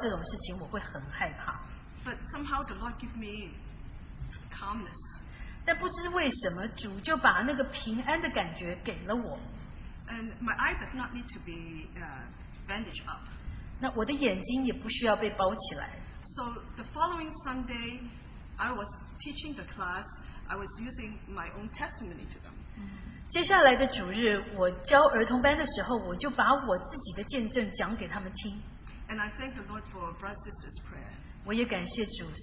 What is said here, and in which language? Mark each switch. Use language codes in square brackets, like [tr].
[zh] 那通常我必须说，通常我遇到这种事情，我会很害怕。 [en] But somehow the Lord give me calmness. [zh] 但不知为什么，主就把那个平安的感觉给了我。 [en] And my eye does not need to be bandaged up. [zh] 那我的眼睛也不需要被包起来。 [en] So the following Sunday, I was teaching the class. I was using my own testimony to them. [zh] 接下来的主日，我教儿童班的时候，我就把我自己的见证讲给他们听。 [en] And I thank the Lord for brothers and sisters' prayer.